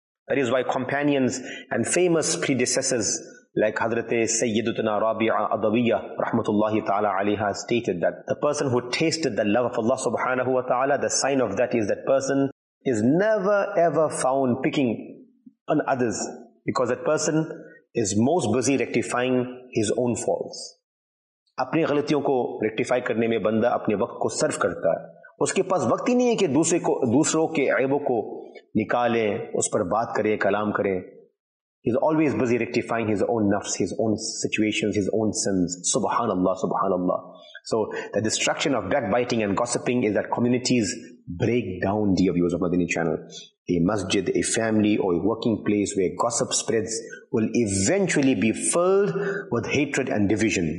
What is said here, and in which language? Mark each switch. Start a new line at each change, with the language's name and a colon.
English: That is why companions and famous predecessors like Hazrat Sayyidatuna Rabi'a Adawiyya rahmatullahi ta'ala alayha stated that the person who tasted the love of Allah subhanahu wa ta'ala, the sign of that is that person is never ever found picking on others, because that person is most busy rectifying his own faults.
Urdu: اپنی غلطیوں کو rectify کرنے میں بندہ اپنے وقت کو صرف کرتا ہے. اس کے پاس وقت ہی نہیں ہے کہ دوسروں کے عیبوں کو نکالیں, اس پر بات کریں, کلام کریں.
English: He is always busy rectifying his own nafs, his own situations, his own sins. سبحان اللہ, سبحان اللہ. So the destruction of backbiting and gossiping is that communities break down the viewers of Madini Channel. A masjid, a family, or a working place where gossip spreads will eventually be filled with hatred and division.